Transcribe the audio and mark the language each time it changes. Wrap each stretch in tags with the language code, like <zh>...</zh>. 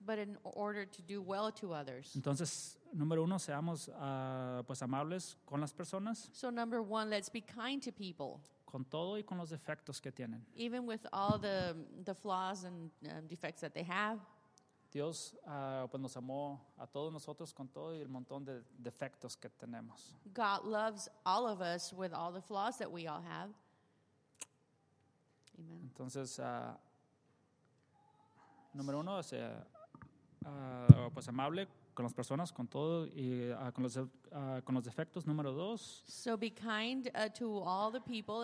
<en>But in order to do well to others.</en> <es>Entonces, número uno, seamos pues amables con las personas.</es> <en>So number one, let's be kind to people.</en> <es>Con todo y con los defectos que tienen.</es> <en>Even with all the flaws and defects that they have.</en> <es>Dios pues nos amó a todos nosotros con todo y el montón de defectos que tenemos.</es> <en>God loves all of us with all the flaws that we all have. Amen.</en> <es>Entonces, número uno, o sea, pues amable con las personas, con todo y con los defectos. Número dos.</es> <en>So be kind to all the people.</en>